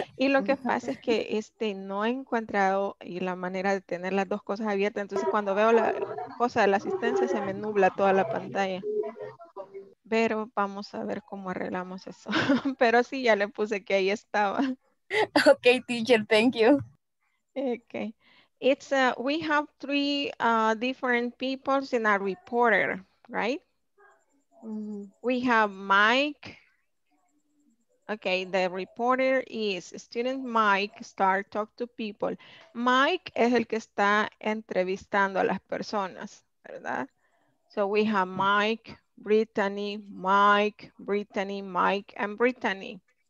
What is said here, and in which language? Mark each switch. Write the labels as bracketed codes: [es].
[es] Y lo que pasa es que no he encontrado y la manera de tener las dos cosas abiertas. Entonces, cuando veo la cosa de la asistencia, se me nubla toda la pantalla. Pero vamos a ver cómo arreglamos eso. Pero sí, ya le puse que ahí estaba. [en] Ok, teacher, thank you. Ok. It's we have three different people in our reporter, right? Mm-hmm. We have Mike. Okay, the reporter is student Mike. Start talk to people. [es] Mike es el que está entrevistando a las personas, ¿verdad? [en] So we have Mike, Brittany, Mike, Brittany, Mike, and Brittany.